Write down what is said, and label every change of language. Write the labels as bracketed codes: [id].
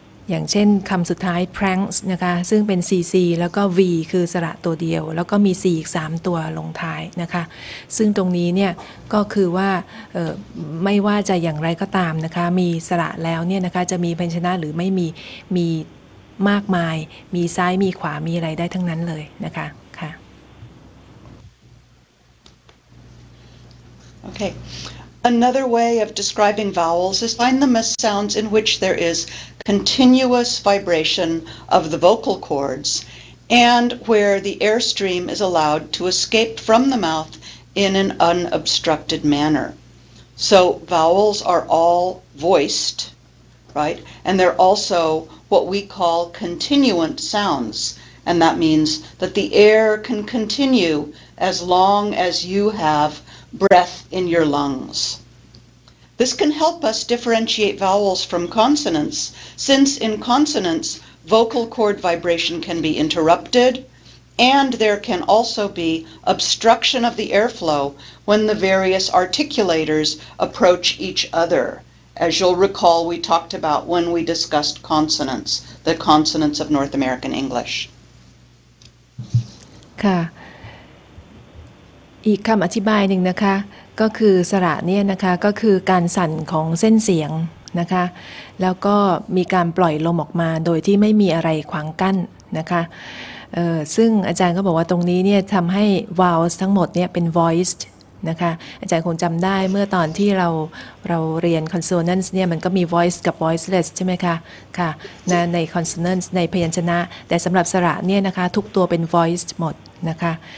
[th] อย่างเช่นคำสุดท้าย pranks นะคะซึ่งเป็น CC แล้วก็ V คือสระตัวเดียวแล้วก็มี C อีก3ตัวลงท้ายนะคะซึ่งตรงนี้เนี่ยก็คือว่าไม่ว่าจะอย่างไรก็ตามนะคะมีสระแล้วเนี่ยนะคะจะมีพยัญชนะหรือไม่มีมีมากมายมีซ้ายมีขวามีอะไรได้ทั้งนั้นเลยนะคะค่ะ [en] โอเค Another way of describing vowels is find them as sounds in which there is continuous vibration of the vocal cords and where the airstream is allowed to escape from the mouth in an unobstructed manner. So vowels are all voiced, right? And they're also what we call continuant sounds. And that means that the air can continue as long as you have breath in your lungs. This can help us differentiate vowels from consonants, since in consonants, vocal cord vibration can be interrupted, and there can also be obstruction of the airflow when the various articulators approach each other. As you'll recall, we talked about when we discussed consonants, the consonants of North American English. [th] ค่ะ อีกคำอธิบายหนึ่งนะคะก็คือสระเนี่ยนะคะก็คือการสั่นของเส้นเสียงนะคะแล้วก็มีการปล่อยลมออกมาโดยที่ไม่มีอะไรขวางกั้นนะคะ ซึ่งอาจารย์ก็บอกว่าตรงนี้เนี่ยทำให้ vowels ทั้งหมดเนี่ยเป็น voiced นะคะอาจารย์คงจำได้เมื่อตอนที่เราเรียน consonants เนี่ยมันก็มี voice กับ voiceless ใช่ไหมคะค่ะใน consonants ในพยัญชนะแต่สำหรับสระเนี่ยนะคะทุกตัวเป็น voiced หมดนะคะ